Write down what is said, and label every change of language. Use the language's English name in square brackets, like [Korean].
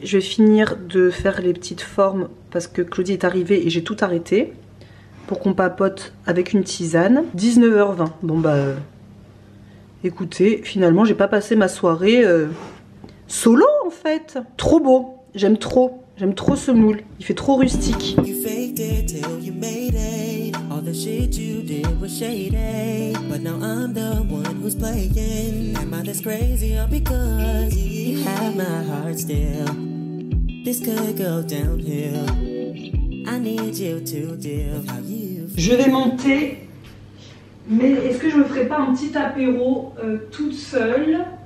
[French] Je vais finir de faire les petites formes parce que Claudie est arrivée et j'ai tout arrêté pour qu'on papote avec une tisane. 19h20. Bon, bah, écoutez, finalement, j'ai pas passé ma soirée solo, en fait. Trop beau. J'aime trop. J'aime trop ce moule, il fait trop rustique. [English] You faked it till you made it. All the shit you did was shady. But now I'm the one who's playing. Am I this crazy or because you have my heart still? This could go downhill. I need you to deal with how you feel. [French] Je vais monter. Mais est-ce que je me ferai pas un petit apéro toute seule?